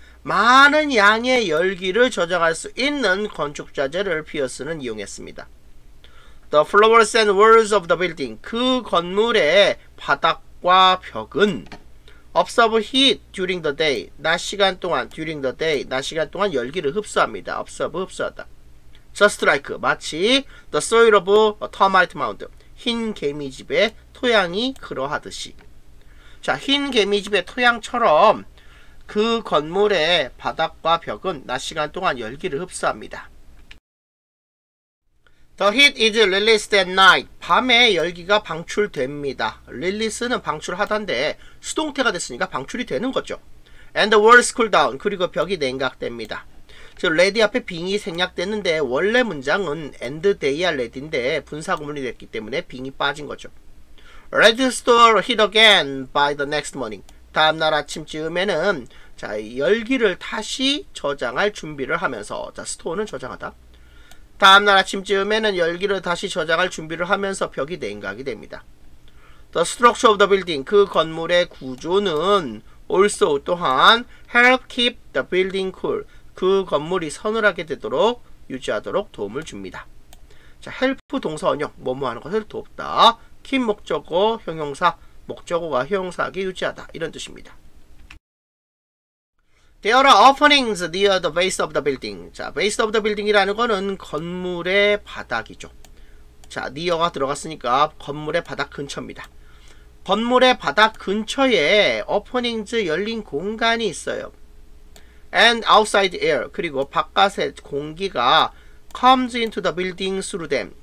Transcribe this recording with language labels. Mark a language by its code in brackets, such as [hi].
[ko] 많은 양의 열기를 저장할 수 있는 건축 자재를 Pierce는 이용했습니다. [en] The floors and walls of the building. [ko] 그 건물의 바닥과 벽은 [en] Observe heat during the day. [ko] 낮 시간 동안, during the day. 낮 시간 동안 열기를 흡수합니다. Observe, 흡수하다. [en] Just like, [ko] 마치 [en] the soil of a termite mound. [ko] 흰 개미 집의 토양이 그러하듯이. 자, 흰 개미 집의 토양처럼 그 건물의 바닥과 벽은 낮 시간 동안 열기를 흡수합니다. [en] The heat is released at night. [ko] 밤에 열기가 방출됩니다. Release는 방출하단데 수동태가 됐으니까 방출이 되는 거죠. [en] And the walls cool down. [ko] 그리고 벽이 냉각됩니다. 저 레디 앞에 빙이 생략됐는데 원래 문장은 and they are ready인데 분사구문이 됐기 때문에 빙이 빠진 거죠. [en] Ready to store heat again by the next morning. [ko] 다음날 아침쯤에는 자 열기를 다시 저장할 준비를 하면서 자 store는 저장하다. 다음날 아침쯤에는 열기를 다시 저장할 준비를 하면서 벽이 냉각이 됩니다. [en] The structure of the building, [ko] 그 건물의 구조는 [en] also 또한 help keep the building cool, [ko] 그 건물이 서늘하게 되도록 유지하도록 도움을 줍니다. 자, help 동사 원형, 뭐뭐 하는 것을 돕다. keep 목적어 형용사, 목적어가 형용사하게 유지하다. 이런 뜻입니다. [en] There are openings near the base of the building. [ko] 자, base of the building이라는 거는 건물의 바닥이죠. 자, near가 들어갔으니까 건물의 바닥 근처입니다. 건물의 바닥 근처에 openings 열린 공간이 있어요. [en] And outside air, [ko] 그리고 바깥의 공기가 [en] comes into the building through them.